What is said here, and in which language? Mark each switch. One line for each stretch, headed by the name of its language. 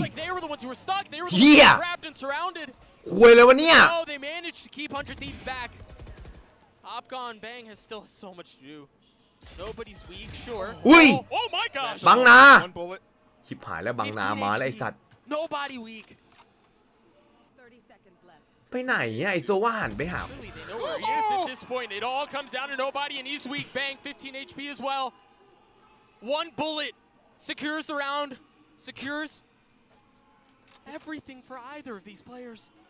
English: Like they were the ones who were stuck. They were the ones who were trapped and surrounded.
Thai: คุยแล้ววะเนี่ย
English: Oh, they managed to keep 100 thieves back. Opcon Bang has still so much to do. Nobody's weak, sure. Oy! Oh my gosh.
Thai: บังนาชิบหายแล้วบังนามาแล้วไอ้สัตว์
English: Nobody weak. 30 seconds left.
Thai: ไปไหนเนี่ยไอ้โซว่าหันไปหา
English: Yes, at this point it all comes down to nobody and he's weak. Bang 15 HP as well. One bullet secures the round, secures everything for either of these players.